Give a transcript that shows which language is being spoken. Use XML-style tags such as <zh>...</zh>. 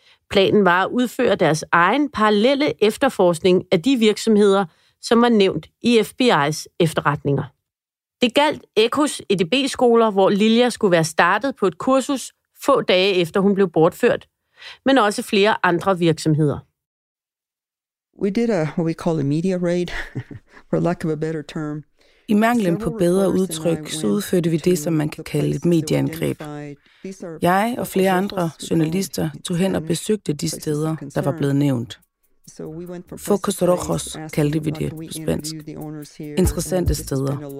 <da>Planen var at udføre deres egen parallelle efterforskning af de virksomheder, som var nævnt i FBI's efterretninger. Det galt Ecos EDB-skoler, hvor Lilia skulle være startet på et kursus få dage efter hun blev bortført, men også flere andre virksomheder.</da> <en>We did a what we call a media raid, for lack of a better term.</en> <da>I manglen på bedre udtryk, så udførte vi det, som man kan kalde et medieangreb. Jeg og flere andre journalister tog hen og besøgte de steder, der var blevet nævnt. Focus Rojos kaldte vi det på spansk. Interessante steder.</da>